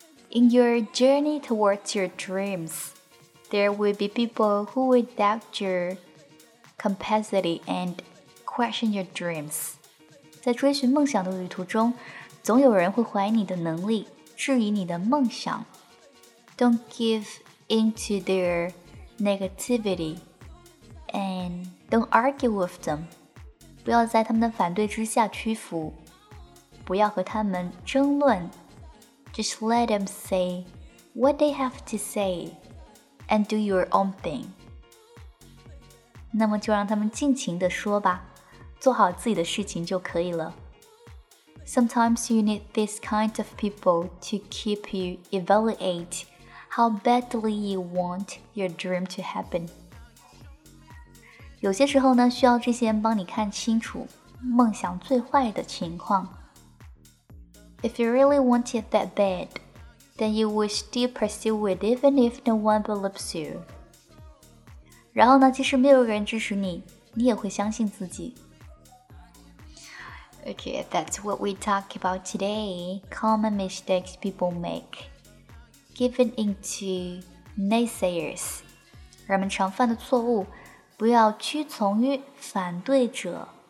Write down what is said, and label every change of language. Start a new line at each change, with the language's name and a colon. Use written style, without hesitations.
English: In your journey towards your dreams, there will be people who will doubt your capacity and question your dreams.
Chinese: 在追寻梦想的旅途中，总有人会怀疑你的能力，质疑你的梦想。
English: Don't give in to their negativity and don't argue with them.
Chinese: 不要在他们的反对之下屈服，不要和他们争论。
English: Just let them say what they have to say and do your own thing.
Chinese: 那么就让他们尽情地说吧，做好自己的事情就可以了。
English: Sometimes you need this kind of people to keep you evaluate how badly you want your dream to happen.
Chinese: 有些时候呢，需要这些人帮你看清楚梦想最坏的情况。
English: If you really want it that bad, then you will still pursue it even if no one believes you.
Chinese: 然后呢，即使没有人支持你，你也会相信自己。
English: Okay, that's what we talk about today. Common mistakes people make. Giving in to naysayers.
Chinese: 人们常犯的错误，不要屈从于反对者。